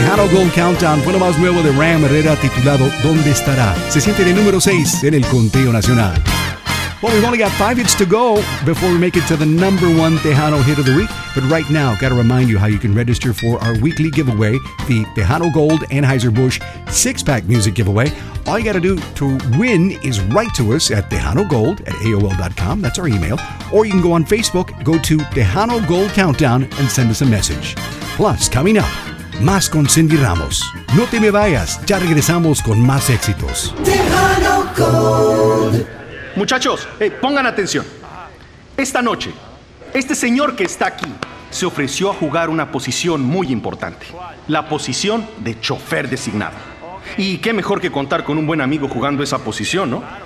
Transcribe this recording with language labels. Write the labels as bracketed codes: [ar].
[es] Gold Countdown fue lo más nuevo de Ram Herrera titulado ¿Dónde Estará? Se siente de número 6 en el conteo nacional. [en] Well, we've only got 5 hits to go before we make it to the number 1 Tejano hit of the week. But right now, gotta remind you how you can register for our weekly giveaway, the Tejano Gold Anheuser-Busch 6-pack music giveaway. All you gotta do to win is write to us at TejanoGold@AOL.com. That's our email. Or you can go on Facebook, go to Tejano Gold Countdown and send us a message. Plus, coming up, [es] más con [en] Cindy Ramos. [es] No te me vayas, ya regresamos con más éxitos. Tejano Gold. Muchachos, pongan atención. Esta noche, este señor que está aquí se ofreció a jugar una posición muy importante. La posición de chofer designado. Y qué mejor que contar con un buen amigo jugando esa posición, ¿no?